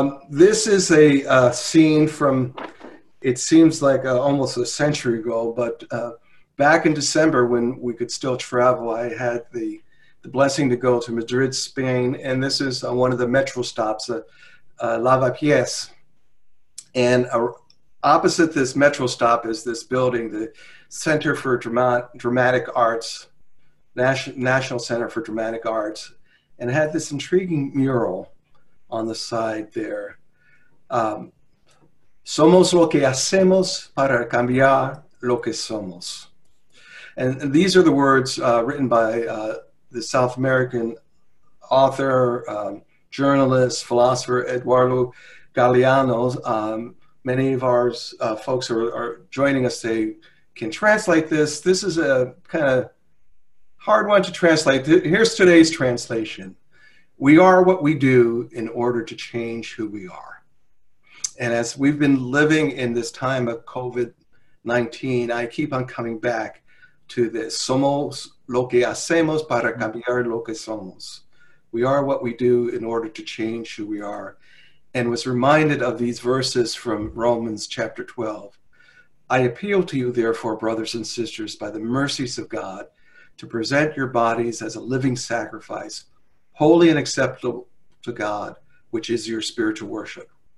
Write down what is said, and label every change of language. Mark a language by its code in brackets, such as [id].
[en] This is a scene from, it seems like almost a century ago, but back in December when we could still travel, I had the blessing to go to Madrid, Spain, and this is one of the metro stops, Lavapiés. And opposite this metro stop is this building, the Center for Dramatic Arts, National Center for Dramatic Arts, and it had this intriguing mural on the side there. [es] Somos lo que hacemos para cambiar lo que somos. [en] And these are the words written by the South American author, journalist, philosopher, Eduardo Galeano. Many of our folks who are joining us, they can translate this. This is a kind of hard one to translate. Here's today's translation. We are what we do in order to change who we are. And as we've been living in this time of COVID-19, I keep on coming back to this. [es] Somos lo que hacemos para cambiar lo que somos. [en] We are what we do in order to change who we are. And was reminded of these verses from Romans chapter 12. I appeal to you, therefore, brothers and sisters, by the mercies of God, to present your bodies as a living sacrifice, holy and acceptable to God, which is your spiritual worship.